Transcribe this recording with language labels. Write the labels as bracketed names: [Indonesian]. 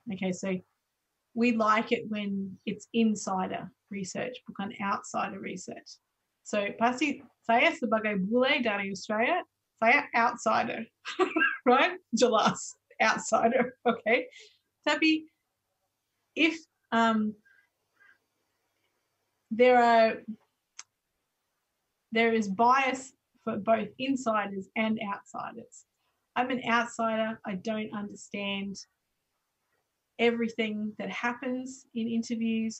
[English] Okay, so we like it when it's insider research, [Indonesian] bukan [English] outsider research. [Indonesian] So pasti saya sebagai bule dari Australia, saya outsider, [English] right? [Indonesian] Jelas, outsider, okay? [English] Tapi if there is bias for both insiders and outsiders. I'm an outsider. I don't understand everything that happens in interviews.